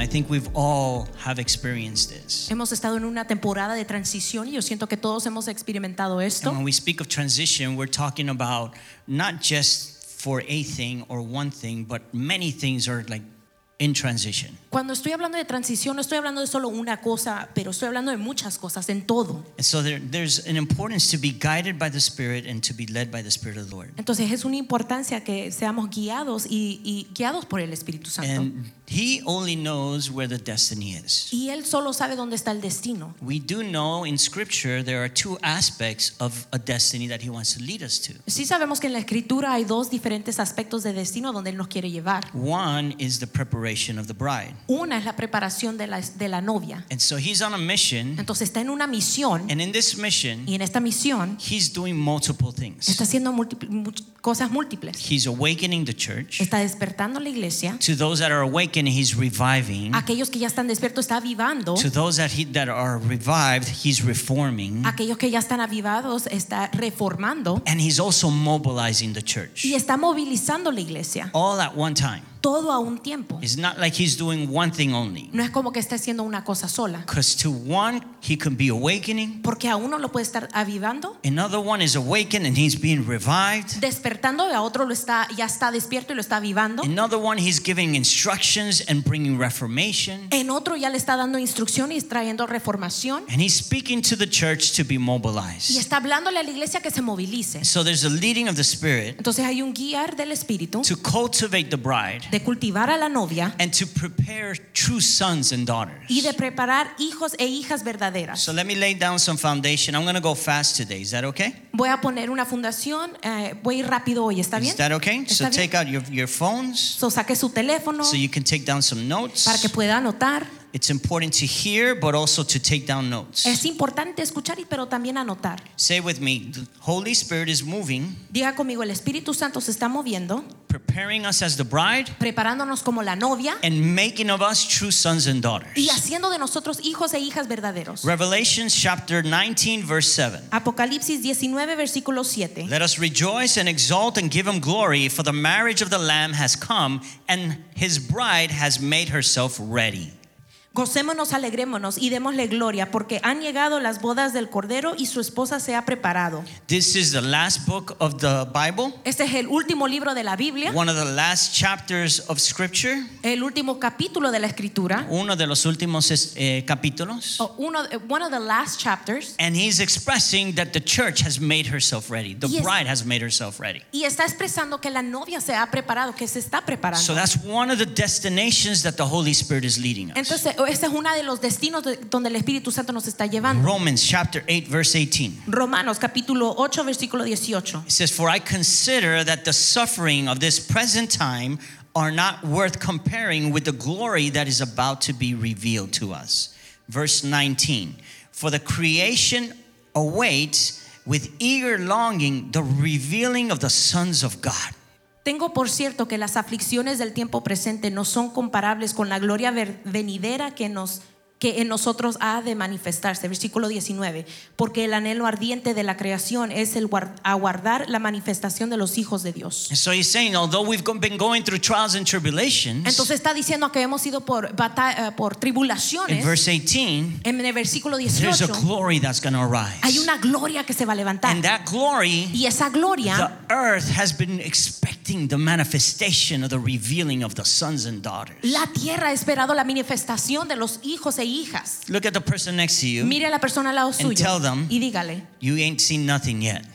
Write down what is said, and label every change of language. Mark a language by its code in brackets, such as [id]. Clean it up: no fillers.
[en] I think we've all have experienced this. [es] Hemos estado en una temporada de transición y yo siento que todos hemos experimentado esto. [en] And when we speak of transition, we're talking about not just for a thing or one thing, but many things are like in transition. [es] Cuando estoy hablando de transición, no estoy hablando de solo una cosa, pero estoy hablando de muchas cosas, en todo. [en] And so there's an importance to be guided by the Spirit and to be led by the Spirit of the Lord. [es] Entonces es una importancia que seamos guiados y guiados por el Espíritu Santo. [en] And He only knows where the destiny is. [es] Y Él solo sabe dónde está el destino. [en] We do know in Scripture there are two aspects of a destiny that He wants to lead us to. [es] Sí sabemos que en la Escritura hay dos diferentes aspectos de destino donde Él nos quiere llevar. [en] One is the preparation of the bride. [es] Una es la preparación de la novia. [en] And so he's on a mission. [es] Entonces está en una misión. [en] And in this mission, [es] y en esta misión, [en] he's doing multiple things. [es] Está haciendo cosas múltiples. [en] He's awakening the church. [es] Está despertando la iglesia. [en] To those that are awakened, he's reviving. [es] Aquellos que ya están despiertos, está avivando. [en] To those that are revived, he's reforming. [es] Aquellos que ya están avivados, está reformando. [en] And he's also mobilizing the church. [es] Y está movilizando la iglesia. [en] All at one time. [es] Todo a un tiempo. [en] It's not like he's doing one thing only. [es] No es como que está haciendo una cosa sola. [en] Because to one he can be awakening. [es] Porque a uno lo puede estar avivando. [en] Another one is awakened and he's being revived. [es] Despertando y a otro lo está ya está despierto y lo está avivando. [en] Another one he's giving instructions and bringing reformation. [es] En otro ya le está dando instrucciones y trayendo reformación. [en] And he's speaking to the church to be mobilized. [es] Y está hablándole a la iglesia que se movilice. [en] So there's a leading of the Spirit. [es] Entonces hay un guiar del Espíritu. [en] To cultivate the bride. [es] De cultivar a la novia, [en] and to prepare true sons and daughters. [es] Y de preparar hijos e hijas verdaderas. [en] So let me lay down some foundation. I'm going to go fast today. Is that okay? [es] Voy a poner una fundación. Voy rápido hoy. ¿Está bien? [en] Is that okay? So take out your phones. [es] So saque su teléfono. [en] So you can take down some notes. [es] Para que pueda anotar. [en] It's important to hear, but also to take down notes. [es] Es importante escuchar, pero también anotar. [en] Say with me, the Holy Spirit is moving. [es] Diga conmigo, el Espíritu Santo se está moviendo. [en] Preparing us as the bride. [es] Preparándonos como la novia. [en] And making of us true sons and daughters. [es] Y haciendo de nosotros hijos e hijas verdaderos. [en] Revelation chapter 19, verse 7. [es] Apocalipsis 19, versículo 7. [en] Let us rejoice and exalt and give him glory, for the marriage of the Lamb has come, and his bride has made herself ready. [es] Gocémonos, alegrémonos y démosle gloria porque han llegado las bodas del Cordero y su esposa se ha preparado. [en] This is the last book of the Bible. [es] Este es el último libro de la Biblia. [en] One of the last chapters of Scripture. [es] El último capítulo de la Escritura. Uno de los últimos capítulos. [en] Oh, one of the last chapters. And he's expressing that the church has made herself ready. The bride has made herself ready. [es] Y está expresando que la novia se ha preparado, que se está preparando. [en] So that's one of the destinations that the Holy Spirit is leading us. [es] Entonces, este es uno de los destinos donde el Espíritu Santo nos está llevando. [en] Romans chapter 8 verse 18. [es] Romanos capítulo 8 versículo 18. [en] It says, for I consider that the suffering of this present time are not worth comparing with the glory that is about to be revealed to us. Verse 19. For the creation awaits with eager longing the revealing of the sons of God. [es] Tengo por cierto que las aflicciones del tiempo presente no son comparables con la gloria venidera que nos que en nosotros ha de manifestarse. Versículo 19. Porque el anhelo ardiente de la creación es el aguardar la manifestación de los hijos de Dios. [en] So he's saying, although we've been going through trials and tribulations. [es] Entonces está diciendo que hemos ido por tribulaciones. [en] In verse 18. [es] En el versículo 18. [en] There's a glory that's going to arise. [es] Hay una gloria que se va a levantar. [en] And that glory. [es] Y esa gloria. [en] The earth has been expecting the manifestation of the revealing of the sons and daughters. [es] La tierra ha esperado la manifestación de los hijos. [en] Look at the person next to you. [es] Mire a la persona al lado suyo. [en] And tell them. [es] Y dígale. [en] You ain't seen nothing yet.